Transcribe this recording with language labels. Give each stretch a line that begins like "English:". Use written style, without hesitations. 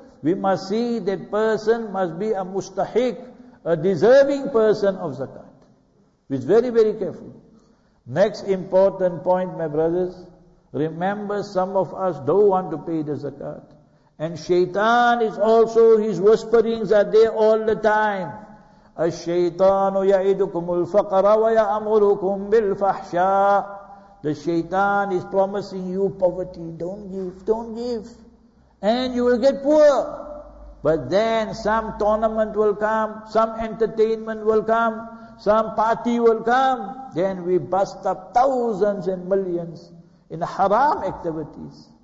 English: We must see that person must be a mustahik, a deserving person of zakat. Be very, very careful. Next important point, my brothers. Remember, some of us don't want to pay the zakat. And shaitan is also, his whisperings are there all the time.
Arabic: الشيطان يعيدكم الفقر ويأمركم بالفحشاء.
English: The shaitan is promising you poverty. Don't give, don't give. And you will get poor. But then some tournament will come, some entertainment will come, some party will come. Then we bust up thousands and millions in haram activities.